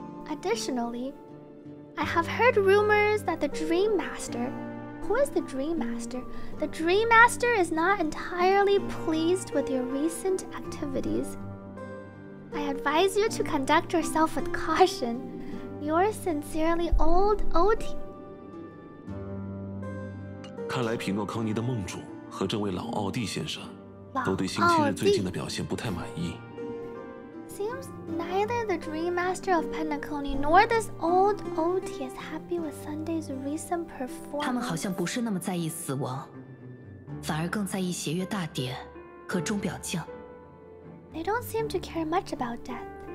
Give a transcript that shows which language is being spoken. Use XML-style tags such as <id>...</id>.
<en>Additionally, I have heard rumors that the Dream Master... Who is the Dream Master? The Dream Master is not entirely pleased with your recent activities. I advise you to conduct yourself with caution. Yours sincerely, Old O.T.</en> <zh>看来匹诺康尼的梦主和这位老奥蒂先生都对星期日最近的表现不太满意。</zh> <en>Seems neither the Dream Master of Pentaconi nor this old OT is happy with Sunday's recent performance. They don't seem to care much about death.</en>